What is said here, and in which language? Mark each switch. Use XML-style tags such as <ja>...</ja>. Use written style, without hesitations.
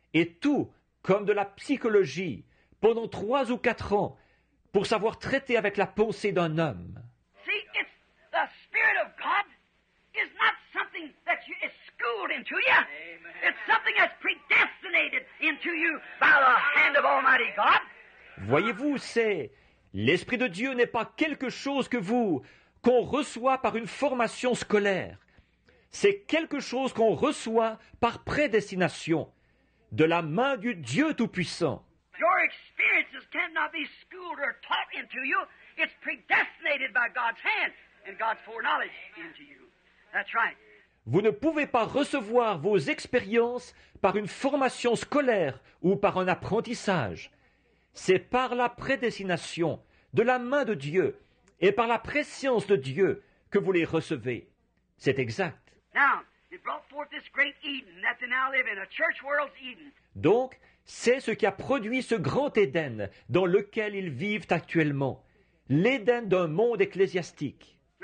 <fr>Et tout comme de la psychologie, pendant 3 ou 4 ans, pour savoir traiter avec la pensée d'un homme.</fr> <en>See, it's the Spirit of God is not something that you is schooled into you. Amen. It's something that's predestinated into you by the hand of Almighty God.</en> <fr>Voyez-vous, c'est l'Esprit de Dieu n'est pas quelque chose que vous, qu'on reçoit par une formation scolaire. C'est quelque chose qu'on reçoit par prédestination, de la main du Dieu Tout-Puissant.</fr> <en>Your experiences cannot be schooled or taught into you. It's predestinated by God's hand and God's foreknowledge into you. That's right.</en> <fr>Vous ne pouvez pas recevoir vos expériences par une formation scolaire ou par un apprentissage. C'est par la prédestination de la main de Dieu et par la préscience de Dieu que vous les recevez. C'est exact.</fr> <en>Now, it brought forth this great Eden that they now live in, a church world's Eden.</en> <fr>Donc, c'est ce qui a produit ce grand Éden dans lequel ils vivent actuellement, l'Éden d'un monde ecclésiastique.</fr>